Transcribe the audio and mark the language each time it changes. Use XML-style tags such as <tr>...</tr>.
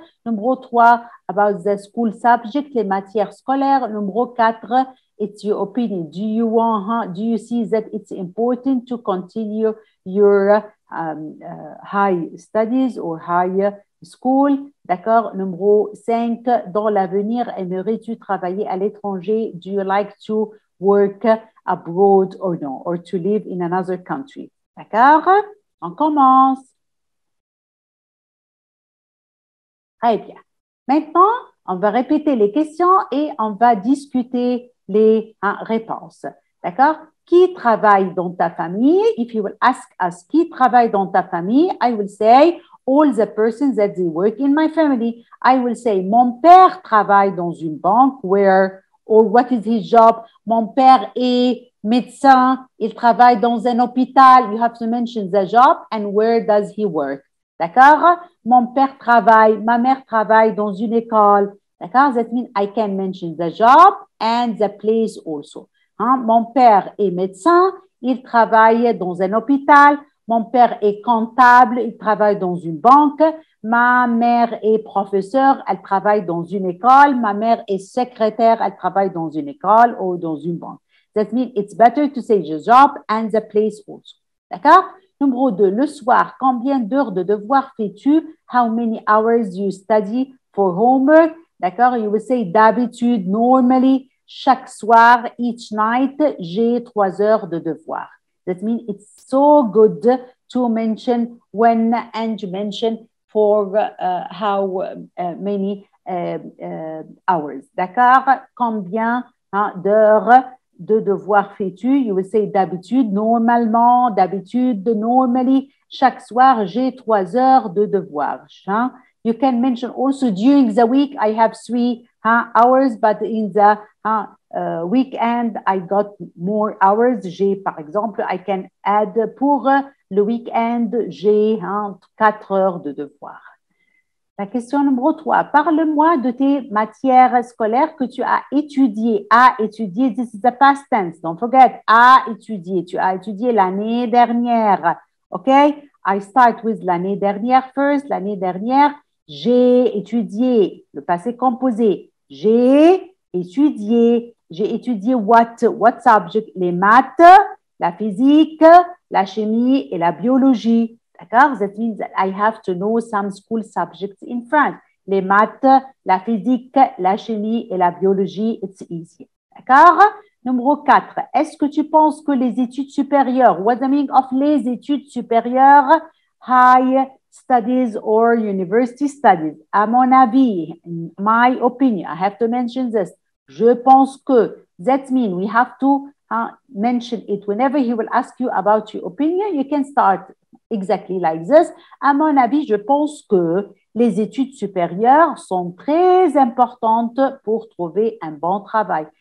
<fr>Numéro 3,</fr> <en>about the school subject,</en> <fr>les matières scolaires.</fr> <en>Numéro 4, it's your opinion. Do you see that it's important to continue your high studies or high school?</en> <fr>D'accord. Numéro 5, dans l'avenir, aimerais-tu travailler à l'étranger?</fr> <en>Do you like to work abroad or no, or to live in another country?</en> <fr>D'accord? On commence. Très bien. Maintenant, on va répéter les questions et on va discuter les réponses. D'accord? Qui travaille dans ta famille?</fr> <en>If you will ask us</en> <fr>qui travaille dans ta famille,</fr> <en>I will say, all the persons that they work in my family, I will say,</en> <fr>mon père travaille dans une banque,</fr> <en>where, or what is his job?</en> <fr>Mon père est médecin, il travaille dans un hôpital.</fr> <en>You have to mention the job and where does he work.</en> <fr>D'accord? Mon père travaille, ma mère travaille dans une école. D'accord?</fr> <en>That means I can mention the job and the place also.</en> <fr>Hein? Mon père est médecin, il travaille dans un hôpital. Mon père est comptable, il travaille dans une banque. Ma mère est professeure, elle travaille dans une école. Ma mère est secrétaire, elle travaille dans une école ou dans une banque.</fr> <en>That means it's better to say the job and the place also.</en> <fr>D'accord? Numéro 2, le soir, combien d'heures de devoir fais-tu?</fr> <en>How many hours you study for homework?</en> <fr>D'accord?</fr> <en>You will say</en> <fr>d'habitude,</fr> <en>normally,</en> <fr>chaque soir,</fr> <en>each night,</en> <fr>j'ai 3 heures de devoir.</fr> <en>That means it's so good to mention when and you mention for how many hours.</en> <fr>D'accord? Combien d'heures de devoir fais-tu?</fr> <en>You will say</en> <fr>d'habitude, normalement, d'habitude,</fr> <en>normally,</en> <fr>chaque soir, j'ai 3 heures de devoir. Hein?</fr> <en>You can mention also during the week, I have 3 hours, but in the weekend, I got more hours.</en> <fr>J'ai, par exemple,</fr> <en>I can add</en> <fr>pour le weekend, j'ai 4 heures de devoir. La question numéro 3. Parle-moi de tes matières scolaires que tu as étudiées. A étudié,</fr> <en>this is the past tense. Don't forget,</en> <fr>a étudié. Tu as étudié l'année dernière.</fr> <en>OK? I start with</en> <fr>l'année dernière</fr> <en>first.</en> <fr>L'année dernière, j'ai étudié. Le passé composé. J'ai étudié</fr> <en>what subject?</en> <fr>Les maths, la physique, la chimie et la biologie. D'accord?</fr> <en>That means that I have to know some school subjects in France.</en> <fr>Les maths, la physique, la chimie et la biologie,</fr> <en>it's easy.</en> <fr>D'accord? Numéro 4. Est-ce que tu penses que les études supérieures,</fr> <en>what's the meaning of</en> <fr>les études supérieures,</fr> <en>high studies or university studies?</en> <fr>À mon avis,</fr> <en>my opinion, I have to mention this.</en> <fr>Je pense que,</fr> <en>that means we have to mention it. Whenever he will ask you about your opinion, you can start exactly like this.</en> <fr>À mon avis, je pense que les études supérieures sont très importantes pour trouver un bon travail.</fr>